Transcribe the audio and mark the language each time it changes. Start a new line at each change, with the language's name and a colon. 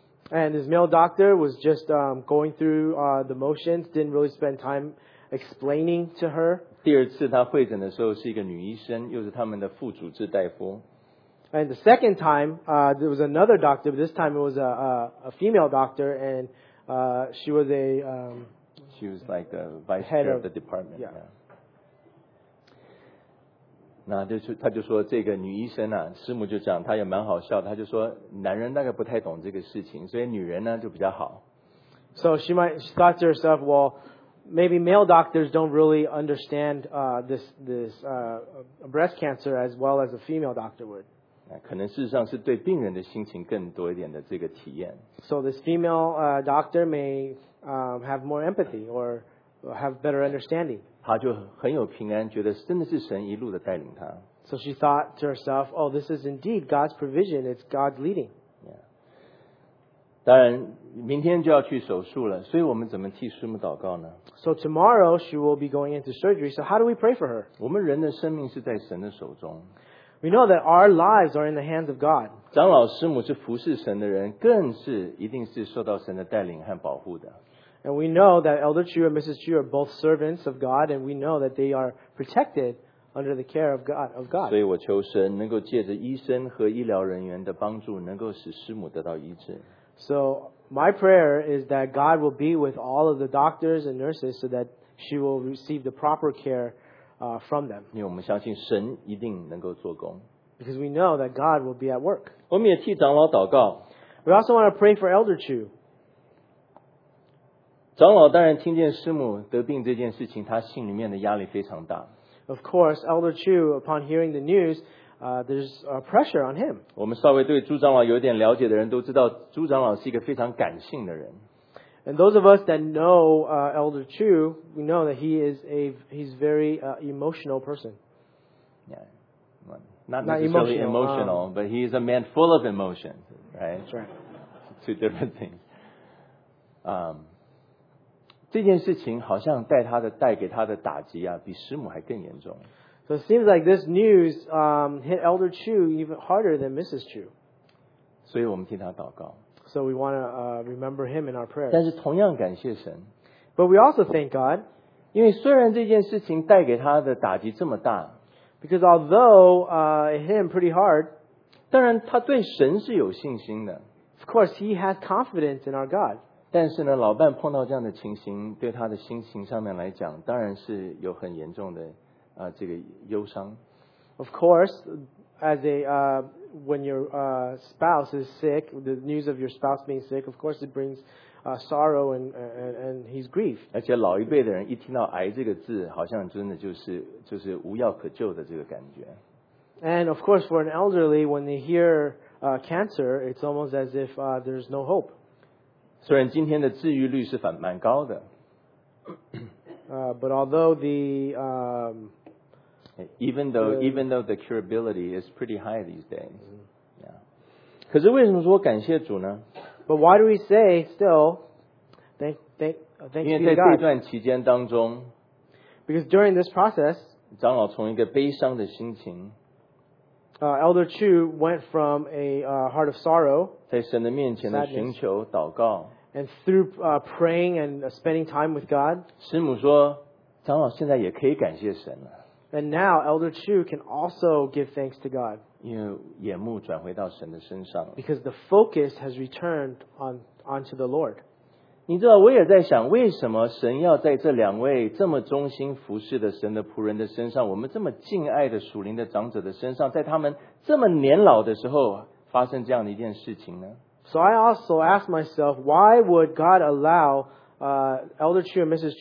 English: And this male doctor was just going through the motions, didn't really spend time explaining to her.
Chinese: 第二次他会诊的时候是一个女医生，又是他们的副主治大夫。
English: And the second time, there was another doctor, but this time it was a female doctor and. She was a, she was like the vice chair of the department. Yeah.
Chinese: 那就他就说这个女医生啊，师母就讲她也蛮好笑，她就说男人大概不太懂这个事情，所以女人呢就比较好。
English: So she might, she thought to herself, well, maybe male doctors don't really understand, this, breast cancer as well as a female doctor would.
Chinese: 可能事实上是对病人的心情更多一点的这个体验。
English: So this female doctor may have more empathy or have better understanding.
Chinese: 她就很有平安，觉得真的是神一路的带领她。
English: So she thought to herself, "Oh, this is indeed God's provision. It's God's leading." Yeah.
Chinese: 当然，明天就要去手术了，所以我们怎么替师母祷告呢
English: ？So tomorrow she will be going into surgery. So how do we pray for her?
Chinese: 我们人的生命是在神的手中。
English: We know that our lives are in the hands of God.
Chinese: 长老师母是服侍神的人，更是一定是受到神的带领和保护的。
English: And we know that Elder Chu and Mrs. Chu are both servants of God, and we know that they are protected under the care of God. Of God.
Chinese: 所以我求神能够借着医生和医疗人员的帮助，能够使师母得到医治。
English: So my prayer is that God will be with all of the doctors and nurses so that she will receive the proper care. From them.
Chinese: 因为我们相信神一定能够做工。
English: Because we know that God will be at work.
Chinese: 我们也替长老祷告。
English: We also want to pray for Elder Chu.
Chinese: 长老当然听见师母得病这件事情，他心里面的压力非常大。
English: Of course, Elder Chu, upon hearing the news, there's pressure on him.
Chinese: 我们稍微对朱长老有点了解的人都知道，朱长老是一个非常感性的人。
English: And those of us that know Elder Chu, we know that he is a he's very emotional person. Yeah, not necessarily emotional, but he is a man full of emotion, right? That's right. Two different things.
Chinese: 这件事情好像带给他的打击啊，比师母还更严重。
English: So it seems like this news hit Elder Chu even harder than Mrs. Chu.
Chinese: 所以我们替他祷告。
English: So we want to remember him in our prayers.
Chinese: 但是同样感谢神。
English: But we also thank God.
Chinese: 因为虽然这件事情带给他的打击这么大。
English: Because although it hit him pretty hard.
Chinese: 当然他对神是有信心的。
English: Of course, he has confidence in our God.
Chinese: 但是呢，老伴碰到这样的情形，对他的心情上面来讲，当然是有很严重的这个忧伤。
English: Of course, as a... When your spouse is sick, the news of your spouse being sick, of course, it brings sorrow and his grief.
Chinese: 而且老一辈的人一听到癌这个字，好像真的就是无药可救的这个感觉。
English: And of course, for an elderly, when they hear cancer, it's almost as if there's no hope.
Chinese: 虽然今天的治愈率是蛮高的。
English: But although the Even though the curability is pretty high these days, yeah.
Chinese: 可是为什么说感谢主呢
English: ？But why do we say still thank you, God?
Chinese: 因为在这段期间当中
English: ，because during this process,
Chinese: 长老从一个悲伤的心情
English: ，Elder Chu went from a heart of sorrow,
Chinese: 在神的面前的寻求祷告
English: ，and through praying and spending time with God.
Chinese: 师母说。长老现在也可以感谢神了。
English: And now Elder Chu can also give thanks to God.
Chinese: 因为眼目转回到神的身上。
English: Because the focus has returned onto the Lord.
Chinese: 你知道我也在想为什么神要在这两位这么忠心服侍的神的仆人的身上，我们这么敬爱的属灵的长者的身上，在他们这么年老的时候发生这样的一件事情呢？
English: So I also asked myself, why would God allow Elder Chu and Mrs.